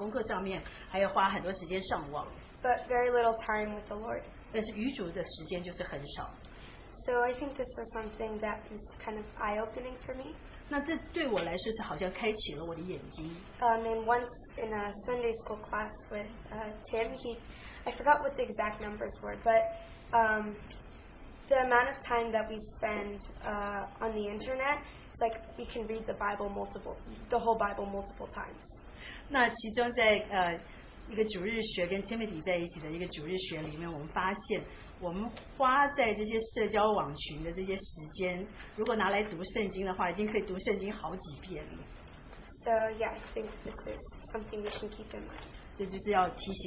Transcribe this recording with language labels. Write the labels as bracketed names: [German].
[Chinese] 那我们花了很多时间在这些社交群组里面，很多时间花在学校功课上面，还有花很多时间上网。 [English] But very little time with the Lord. [Chinese] 但是与主的时间就是很少。 [English] So I think this was something that is kind of eye opening for me. [Chinese] 那这对我来说是好像开启了我的眼睛。 [English] And once in a Sunday school class with Tim, I forgot what the exact numbers were, but the amount of time that we spend on the internet, it's like we can read the Bible the whole Bible multiple times. [Chinese] 那其中在一个主日学跟Timothy在一起的一个主日学里面，我们发现。我们花在这些社交网群的这些时间，如果拿来读圣经的话，已经可以读圣经好几遍了。So [English] yeah, I think this is something we can keep in mind.